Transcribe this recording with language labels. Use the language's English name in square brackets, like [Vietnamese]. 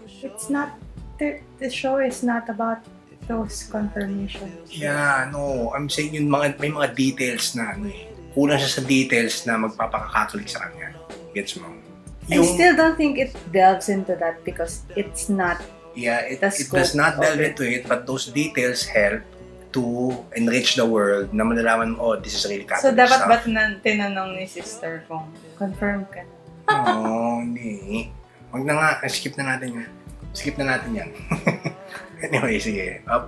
[English] It's not, the show is not about those confirmations. Yeah, no. I'm saying [Filipino] yun, may mga details na, kulang siya sa details na magpapaka-Catholic sa kanya. Gets mo? [English] I still don't think it delves into that because it's not. Yeah, it does not delve into it, but those details help to enrich the world [Filipino] na malalaman mo, [English] this is really Catholic stuff. So, [Filipino] dapat ba't na tinanong ni sister kung confirm ka? Oo, hindi. Huwag na nga, skip na natin yan. Skip na natin yan. Anyway, sige.